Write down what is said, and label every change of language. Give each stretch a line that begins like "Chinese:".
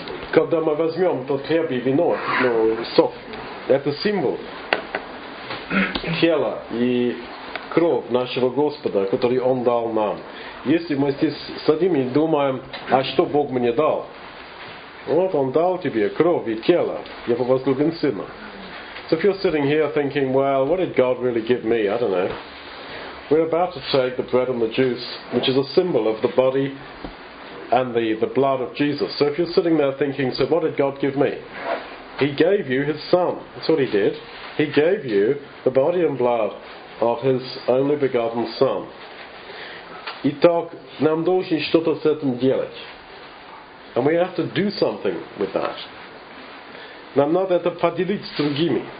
Russian: Когда мы возьмем тот хлеб и вино, ну, сок, это символ тела и кровь нашего Господа, который Он дал нам. Если мы здесь садим и думаем, а что Бог мне дал? Вот Он дал тебе кровь и тело, Его возлюбленного Сына.
English: So if you're sitting here thinking, well, what did God really give me? I don't know. We're about to take the bread and the juice, which is a symbol of the body and the blood of Jesus. So if you're sitting there thinking, so what did God give me? He gave you His Son. That's what He did. He gave you the body and blood of His only begotten Son.
Russian: Итак, нам должны что-то с этим делать.
English: And we have to do something with that.
Russian: Нам надо это поделить с другими.